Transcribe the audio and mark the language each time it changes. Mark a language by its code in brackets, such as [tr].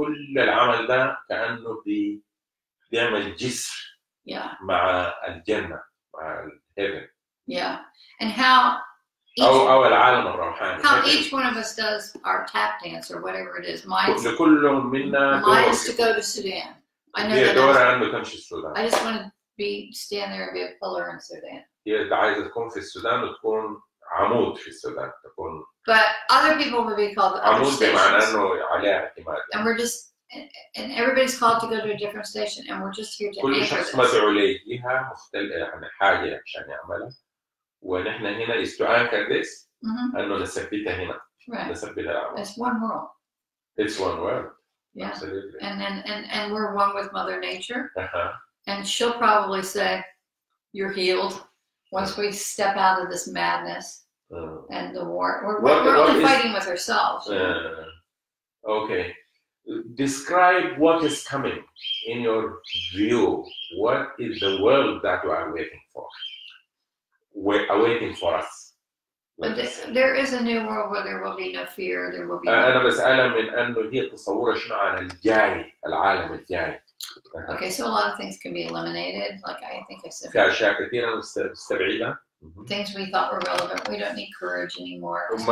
[ar] كل العمل ده كأنه بيعمل جسر مع الجنة مع heaven. [en] Yeah, and how? [ar] أو العالم الروحاني. [en] How each one of us does our tap dance or whatever it is. Mine is to go to Sudan. I know [ar] دورة عنده تمشي السودان. [en] I just want to be stand there and be a pillar in Sudan. [ar] Yeah, عايز تكون في السودان وتكون عمود في السودان تكون. [en] But other people would be called the other stations. And we're just, and everybody's called to go to a different station, and we're just here to [ar] كل شخص مدعو ليها مختلف عن حاجة عشان يعملها. ونحن هنا [en] is to anchor this, [ar] أنه نثبتها هنا. [en] Right. [ar] نثبتها العمود. [en] It's one world. It's one world. Yeah. Absolutely. And we're one with Mother Nature. And she'll probably say, you're healed once we step out of this madness. And the war, we're only fighting with ourselves. Okay, describe what is coming in your view. What is the world that we are waiting for? We're awaiting for us. But there is a new world where there will be no fear. There will be. [ar] أنا بسأله من أنه هي تصور شنو عن الجاي العالم الجاي. [en] Okay, so a lot of things can be eliminated. Like I think I said. [ar] في أشياء كثيرة مستبعدة. [en] Things we thought were relevant. We don't need courage anymore.